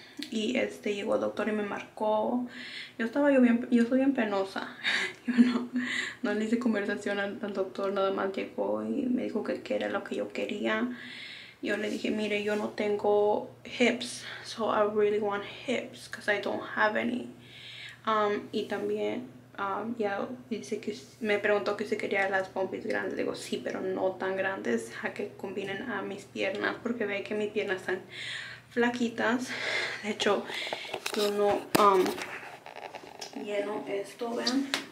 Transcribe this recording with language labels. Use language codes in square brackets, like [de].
[es] Y llegó el doctor y me marcó. Yo soy bien penosa. Yo no le hice conversación al doctor, nada más llegó y me dijo que era lo que yo quería. Yo le dije, mire, yo no tengo [en] hips, so I really want hips because I don't have any. [es] Y también ya dice que me preguntó que si quería las pompis grandes. Digo, sí, pero no tan grandes, a que combinen a mis piernas, porque ve que mis piernas están flaquitas. De hecho, yo no lleno esto, vean.